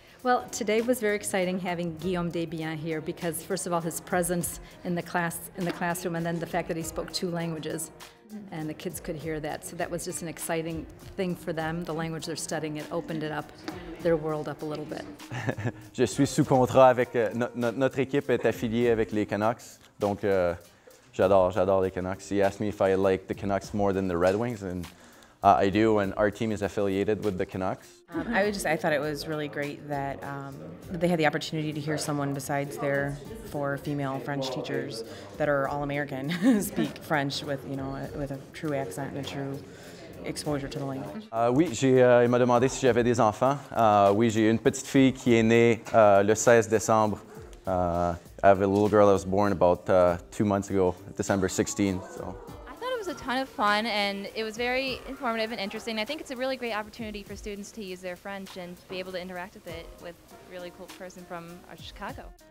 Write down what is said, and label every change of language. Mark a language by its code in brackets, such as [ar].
[en] Well, today was very exciting having Guillaume Desbiens here because, first of all, his presence in the classroom, and then the fact that he spoke two languages, and the kids could hear that. So that was just an exciting thing for them. The language they're studying, it opened it up, their world up a little bit. [fr] Je suis sous contrat avec notre équipe est affiliée avec les Canucks, donc j'adore les Canucks. [en] He asked me if I like the Canucks more than the Red Wings, and I do, and our team is affiliated with the Canucks. I thought it was really great that they had the opportunity to hear someone besides their four female French teachers that are all American speak French with, you know, with a true accent and a true exposure to the language. [fr] Il m'a demandé si j'avais des enfants. Oui, j'ai une petite fille qui est née le 16 décembre. [en] I have a little girl that was born about 2 months ago, December 16th. So. A ton of fun, and it was very informative and interesting. I think it's a really great opportunity for students to use their French and be able to interact with it with a really cool person from Chicago.